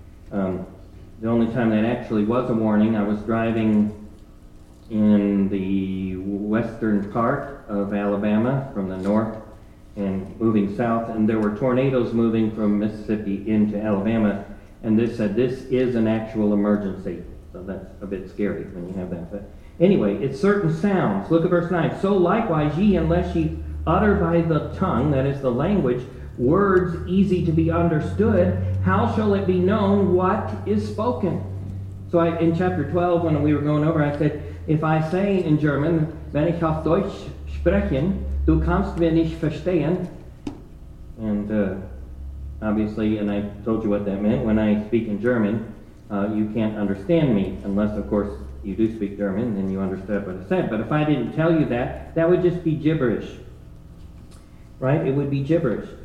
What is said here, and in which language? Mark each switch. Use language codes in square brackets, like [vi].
[en] The only time that actually was a warning, I was driving in the western part of Alabama from the north and moving south, and there were tornadoes moving from Mississippi into Alabama, and this said, this is an actual emergency. So that's a bit scary when you have that. But anyway, it's certain sounds. Look at verse 9. So likewise ye, unless ye utter by the tongue, that is the language, words easy to be understood, how shall it be known what is spoken? So in chapter 12, when we were going over, I said, if I say in German, [de] wenn ich auf Deutsch sprechen, du kannst mir nicht verstehen. [en] And obviously, and I told you what that meant, when I speak in German, you can't understand me, unless, of course, you do speak German, then you understand what I said. But if I didn't tell you that, that would just be gibberish. Right? It would be gibberish.